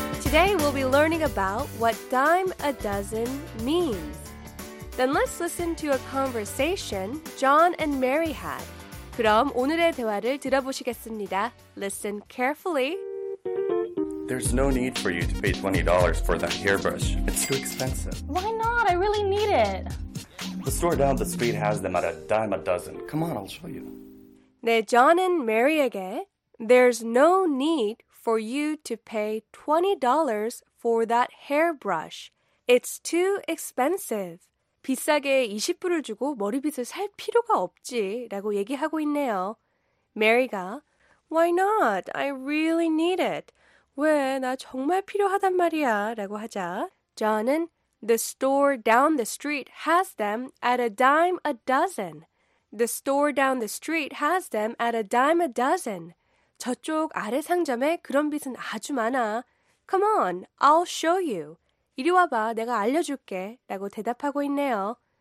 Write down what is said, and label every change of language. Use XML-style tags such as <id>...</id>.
<ko>오늘</ko> <en>we'll be learning about what dime a dozen means. Then let's listen to a conversation John and Mary had.</en> <ko>그럼 오늘의 대화를 들어보시겠습니다.</ko> <en>Listen carefully. There's no need for you to pay $20 for that hairbrush. It's too expensive. Why not? I really need it. The store down the street has them at a dime a dozen. Come on, I'll show you.</en> <ko>네,</ko> <en>John and Mary에게 There's no need for you to pay $20 for that hairbrush. It's too expensive.</en> <ko>비싸게 20불을 주고 머리빗을 살 필요가 없지 라고 얘기하고 있네요. 메리가</ko> <en>Why not? I really need it.</en> <ko>왜? 나 정말 필요하단 말이야 라고 하자. 존은</ko> <en>The store down the street has them at a dime a dozen. The store down the street has them at a dime a dozen.</en> <ko>저쪽 아래 상점에 그런 빗은 아주 많아.</ko> <en>Come on, I'll show you.</en> <ko>이리 와봐, 내가 알려줄게, 라고 대답하고 있네요.</ko>